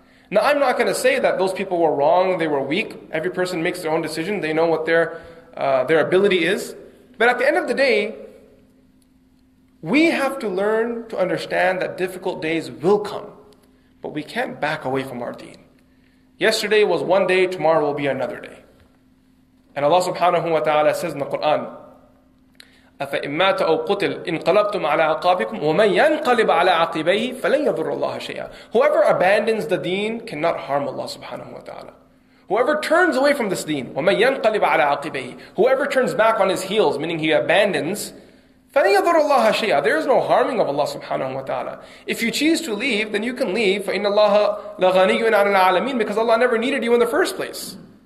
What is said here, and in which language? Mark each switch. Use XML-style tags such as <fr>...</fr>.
<en>Now, I'm not going to say that those people were wrong, they were weak. Every person makes their own decision. They know what their ability is. But at the end of the day, we have to learn to understand that difficult days will come. But we can't back away from our deen. Yesterday was one day, tomorrow will be another day. And Allah subhanahu wa ta'ala says in the Quran,</en> <ar>أَفَإِمَّاتَ أَوْ قُتِلْ إِنْقَلَبْتُمْ عَلَىٰ عَقَابِكُمْ وَمَنْ يَنْقَلِبْ عَلَىٰ عَقِبَيْهِ فَلَنْ يَذُرُّ اللَّهَ شَيْئًا.</ar> <en>Whoever abandons the deen cannot harm Allah subhanahu wa ta'ala. Whoever turns away from this deen,</en> <ar>وَمَنْ يَنْقَلِبْ عَلَىٰ عَقِبَيْهِ,</ar> <en>whoever turns back on his heels, meaning he abandons,</en> <ar>فَلَنْ يَذُرُّ اللَّهَ شَيْئًا,</ar> <en>there is no harming of Allah subhanahu wa ta'ala. If you choose to leave, then you can leave.</en> <ar>فَإِنَّ اللَّهَ لَغَنِيٌّ عَنِ الْعَالَمِينَ,</ar> <en>because Allah never needed you in the first place.</en>